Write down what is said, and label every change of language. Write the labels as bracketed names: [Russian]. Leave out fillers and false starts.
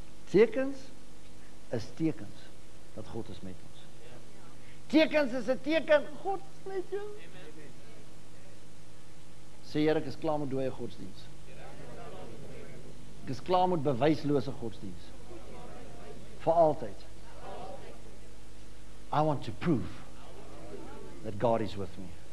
[Afrikaans] Tekens is tekens dat God is met ons. Tekens is 'n teken, God is met jou. Sê Here, ek is klaar met dooie godsdienst. Ek is klaar met bewyslose godsdienst. Vir altyd. [English] I want to prove that God is with me.